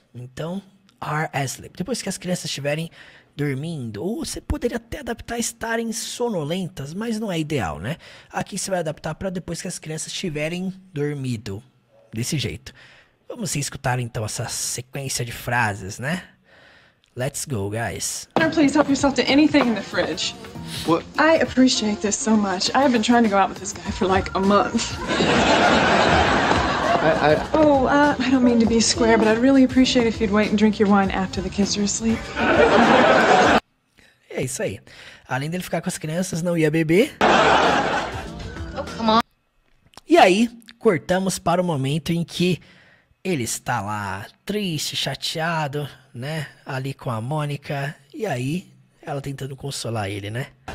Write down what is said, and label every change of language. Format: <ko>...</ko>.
<pt>Então,</pt> <en>are asleep.</en> <pt>Depois que as crianças estiverem dormindo, ou você poderia até adaptar estarem sonolentas, mas não é ideal, né? Aqui você vai adaptar para depois que as crianças estiverem dormido, desse jeito. Vamos escutar então essa sequência de frases, né?</pt> <en>Let's go, guys. Please help yourself to anything in the fridge. What? I appreciate this so much. I have been trying to go out with this guy for like a month. I don't mean to be square, but I'd really appreciate if you'd wait and drink your wine after the kids are asleep.</en> <pt>É isso aí. Além dele ficar com as crianças, não ia beber.</pt> <en>Oh, come on.</en> <pt>E aí, cortamos para o momento em que ele está lá triste, chateado, né? Ali com a Mônica. E aí, ela tentando consolar ele, né?</pt>